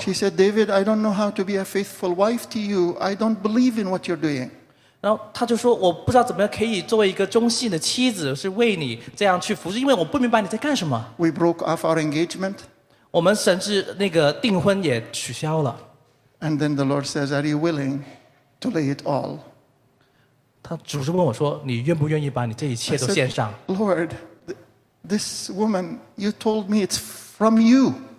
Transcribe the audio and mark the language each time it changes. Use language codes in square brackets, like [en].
[en] She said, David, I don't know how to be a faithful wife to you. I don't believe in what you're doing. [zh] 然后她就说, 我不知道怎么可以作为一个忠信的妻子, 是为你这样去服侍, 因为我不明白你在干什么。 [en] We broke off our engagement. [zh] 我们甚至那个订婚也取消了。 [en] And then the Lord says, are you willing to lay it all? [zh] 她主持问我说, 你愿不愿意把你这一切都献上? [en] I said, Lord, this woman, you told me it's from you.